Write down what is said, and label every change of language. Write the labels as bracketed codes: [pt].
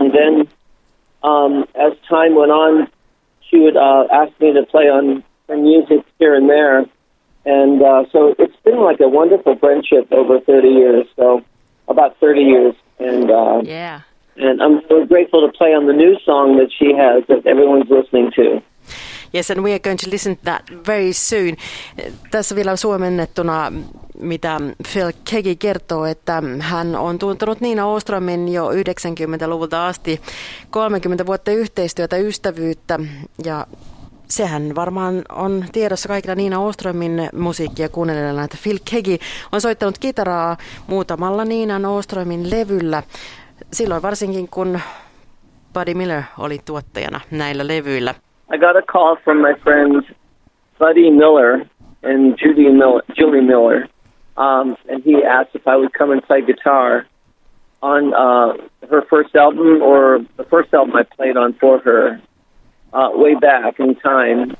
[en] And then, as time went on, she would ask me to play on her music here and there. And so it's been like a wonderful friendship over 30 years, so about 30 years. And I'm so grateful to play on the new song that she has that everyone's listening to. Yes, and we are going to listen to that very soon. [fi] Tässä vielä suomennettuna, mitä Phil Kegi kertoo, että hän on tuntunut Niina Åströmin jo 90-luvulta asti, 30 vuotta yhteistyötä, ystävyyttä, ja sehän varmaan on tiedossa kaikilla Niina Åströmin musiikkia kuunnelleena, että Phil Kegi on soittanut kitaraa muutamalla Niinan Åströmin levyllä. Silloin varsinkin, kun Buddy Miller oli tuottajana näillä levyillä. [en] I got a call from my friends Buddy Miller and Julie Miller, and he asked if I would come and play guitar on her first album, or the first album I played on for her, way back in time.